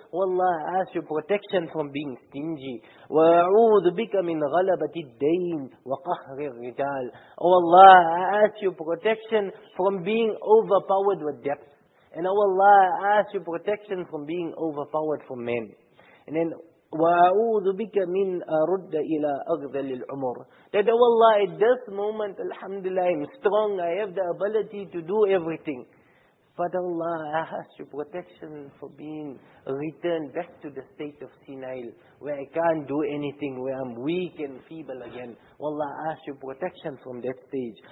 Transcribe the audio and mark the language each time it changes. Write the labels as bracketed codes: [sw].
[en] Oh Allah, I ask you protection from being stingy. [ar] وَأَعُوذُ بِكَ مِنْ غَلَبَةِ الدَّيْنِ وَقَهْرِ الرِّجَالِ. [en] Oh Allah, I ask you protection from being overpowered with debt. And oh Allah, I ask you protection from being overpowered from men. And then, [ar] وَأَعُوذُ بِكَ مِنْ أَرُدَّ إِلَىٰ أَغْذَلِ الْعُمُرِ. [en] That oh Allah, at this moment, alhamdulillah, I'm strong, I have the ability to do everything. But Allah, I ask you protection for being returned back to the state of senile, where I can't do anything, where I'm weak and feeble again. Allah, I ask you protection from that stage.